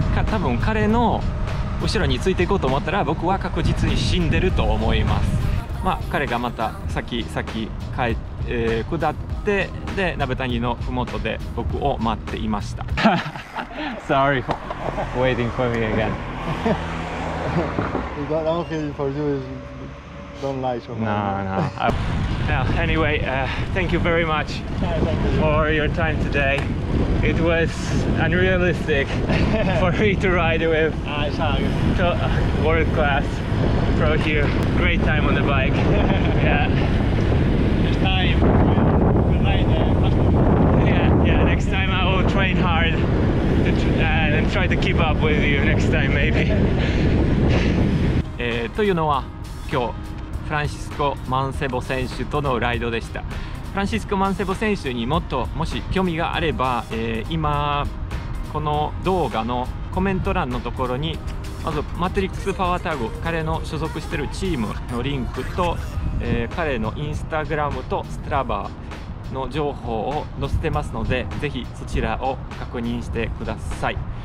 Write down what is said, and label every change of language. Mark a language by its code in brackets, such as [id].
[ja] 多分彼の後ろについていこうと思ったら僕は確実に死んでると思います。まあ、彼がまた先々帰下って、で鍋谷の麓で僕を待っていました。 [en] Sorry for waiting for me again. That one thing for you is don't lie so much. No, no. Now, anyway, thank you very much for your time today. It was unrealistic for me to ride with to world class pro here. Great time on the bike. Yeah. Next time we'll ride faster. Yeah. Next time I will train hard and try to keep up with you. Next time maybe. [ja] というのは今日フランシスコ・マンセボ選手とのライドでした。フランシスコ・マンセボ選手にもっともし興味があれば、今この動画のコメント欄のところにまずマトリックスパワータグ、彼の所属しているチームのリンクと、彼のインスタグラムとストラバーの情報を載せてますので、ぜひそちらを確認してください。